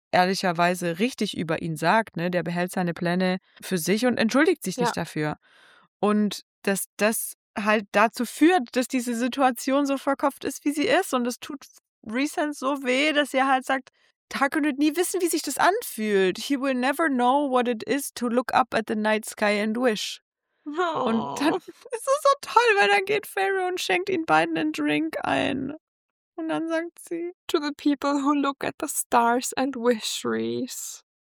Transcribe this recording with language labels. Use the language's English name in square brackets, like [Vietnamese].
[German] ehrlicherweise richtig über ihn sagt, ne? Der behält seine Pläne für sich und entschuldigt sich nicht dafür. Und dass das halt dazu führt, dass diese Situation so verkopft ist, wie sie ist. Und es tut Recent so weh, dass er halt sagt, Tarkin wird nie wissen, wie sich das anfühlt. [English] He will never know what it is to look up at the night sky and wish. Oh. [German] Und dann ist es so toll, weil dann geht Feyre und schenkt ihnen beiden einen Drink ein. Und dann sagt sie, [English] to the people who look at the stars and wish, Reese.